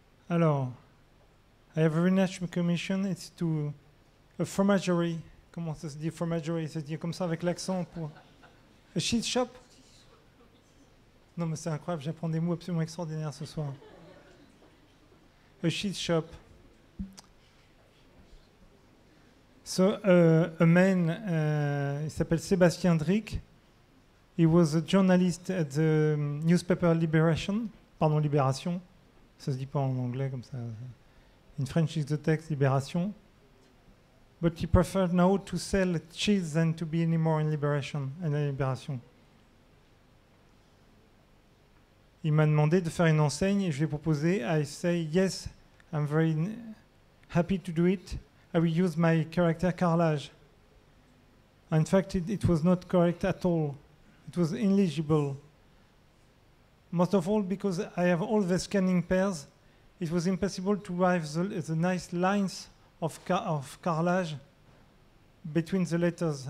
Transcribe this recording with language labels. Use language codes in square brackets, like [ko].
[en] Alors, I have a renaissance commission, it's to a fromagerie. [fr] Comment ça se dit, fromagerie? Ça se dit comme ça avec l'accent pour. [en] A cheese shop? [fr] Non, mais c'est incroyable, j'apprends des mots absolument extraordinaires ce soir. [en] A cheese shop. So, a man, [fr] il s'appelle [en] Sébastien Drick. He was a journalist at the newspaper Libération. [fr] Pardon, Libération. Ça se dit pas en anglais comme ça. [en] In French is the text, Libération. But he preferred now to sell cheese than to be anymore in Libération. [fr] Il m'a demandé de faire une enseigne et je lui ai proposé. [en] I say, yes, I'm very happy to do it. I will use my character Carrelage. In fact, it was not correct at all. It was illegible. Most of all, because I have all the scanning pairs, it was impossible to write the nice lines of Carrelage between the letters.